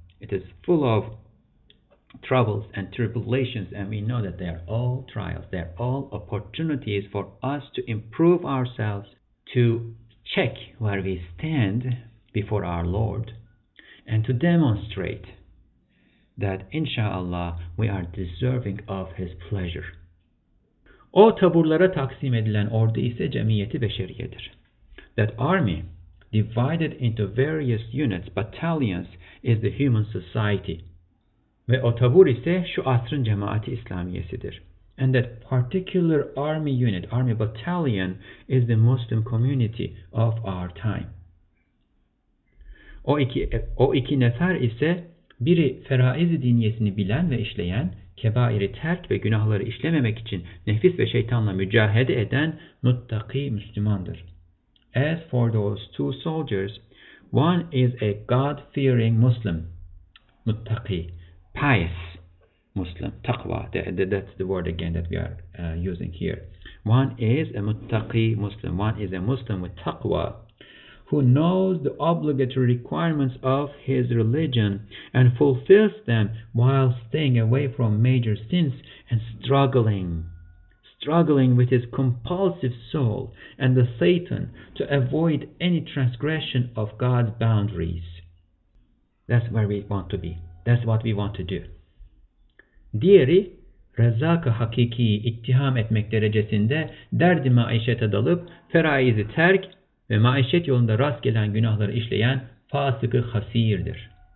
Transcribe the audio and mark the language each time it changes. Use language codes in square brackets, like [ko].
[en] It is full of troubles and tribulations, and we know that they are all trials, they are all opportunities for us to improve ourselves, to check where we stand before our Lord, and to demonstrate that inshallah we are deserving of His pleasure. [tr] O taburlara taksim edilen ordu ise cemiyeti beşeriyedir. [en] That army, divided into various units, battalions, is the human society. [tr] Ve o tabur ise şu asrın cemaati İslamiyesidir. [en] And that particular army unit, army battalion, is the Muslim community of our time. [tr] O iki nefer ise biri feraiz-i diniyesini bilen ve işleyen, kebairi terk ve günahları işlememek için nefis ve şeytanla mücahede eden muttaki Müslümandır. [en] As for those two soldiers, one is a God-fearing Muslim, muttaki, pious Muslim, taqwa, that's the word again that we are using here. One is a muttaqi Muslim, one is a Muslim with taqwa, who knows the obligatory requirements of his religion and fulfills them while staying away from major sins and struggling with his compulsive soul and the Satan to avoid any transgression of God's boundaries. That's where we want to be. That's what we want to do. [tr] Diğeri Rezzak-ı Hakiki'yi ittiham etmek derecesinde derd-i maişete dalıp feraizi terk ve maişet yolunda rast gelen günahları işleyen fasık-ı hasirdir.